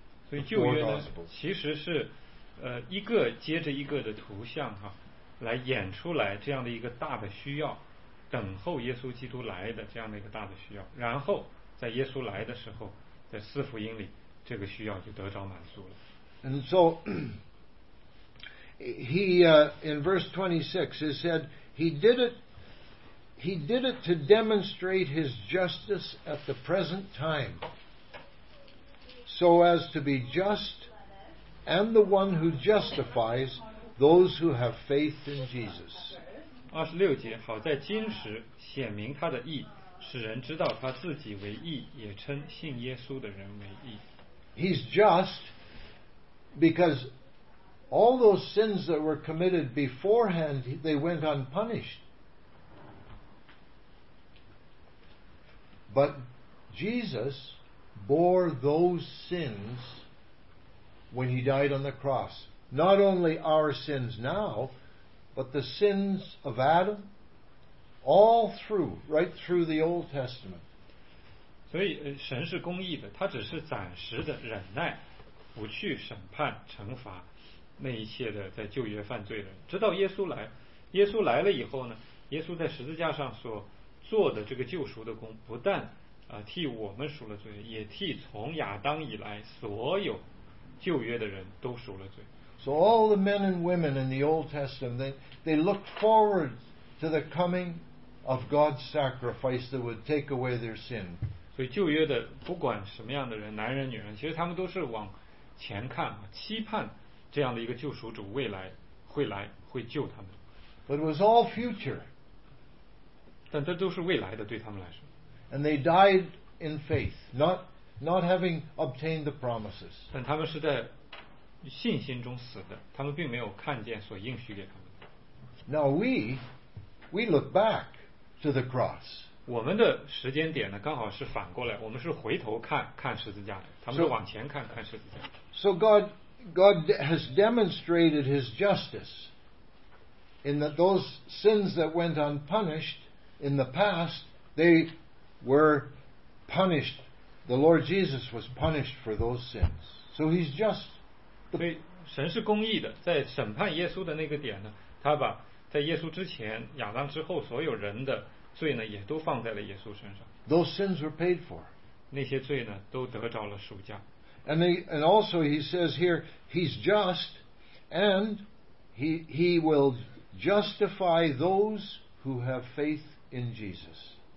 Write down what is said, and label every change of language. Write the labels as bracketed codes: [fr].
[zh] 所以旧约呢，其实是一个接着一个的图像哈，来演出来这样的一个大的需要，等候耶稣基督来的这样的一个大的需要，然后在耶稣来的时候，在四福音里这个需要就得着满足了。 [en] And so he in verse 26 he said he did it to demonstrate his justice at the present time, so as to be just and the one who justifies those who have faith in Jesus. [zh] 26节，好在今时显明他的义，使人知道他自己为义，也称信耶稣的人为义。 [en] He's just because all those sins that were committed beforehand, they went unpunished. But Jesus bore those sins when he died on the cross. Not only our sins now, but the sins of Adam, all through, right through the Old Testament. [zh] 所以神是公义的，他只是暂时的忍耐，不去审判惩罚那一切的在旧约犯罪的人，直到耶稣来。耶稣来了以后呢，耶稣在十字架上所做的这个救赎的功，不但替我们赎了罪，也替从亚当以来所有旧约的人都赎了罪。 [en] So all the men and women in the Old Testament, they looked forward to the coming of God's sacrifice that would take away their sin. [zh] 所以旧约的不管什么样的人，男人女人，其实他们都是往前看，期盼这样的一个救赎主未来会来，会救他们。 [en] But it was all future. [zh] 但这都是未来的，对他们来说。 [en] And they died in faith, not having obtained the promises. [zh] 但他们是在信心中死的，他们并没有看见所应许给他们的。 [en] Now we look back to the cross. [zh] 我们的时间点呢，刚好是反过来，我们是回头看看十字架的，他们是往前看看十字架。 [en] So God has demonstrated His justice in that those sins that went unpunished in the past, they were punished. The Lord Jesus was punished for those sins. So He's just. [zh] 所以神是公义的，在审判耶稣的那个点呢，他把在耶稣之前、亚当之后所有人的罪呢，也都放在了耶稣身上。 [en] Those sins were paid for. [zh] 那些罪呢，都得着了赎价。 [en] And also he says here, he's just, and he will justify those who have faith in Jesus.